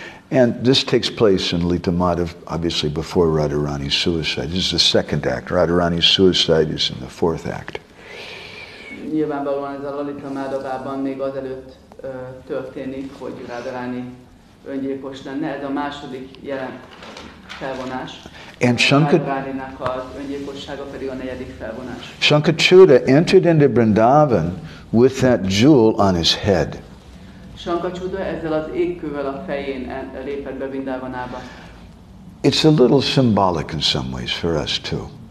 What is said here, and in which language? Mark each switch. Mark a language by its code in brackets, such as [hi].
[en] And this takes place in Lita Madhav, obviously before Radharani's suicide. This is the second act. Radharani's suicide is in the fourth act. [hu] Nyilvánvalóan ez a Lalita Madhavában még azelőtt történik, hogy Radharani öngyilkos lenne. Ez a második jelen felvonás. And Radharaninak az öngyilkossága pedig a negyedik felvonás. [en] Shankachuda entered into Vrindavan with that jewel on his head. [hu] Shankachuda ezzel az égkővel a fején lépett be Vrindavanába. [en] It's a little symbolic in some ways for us too.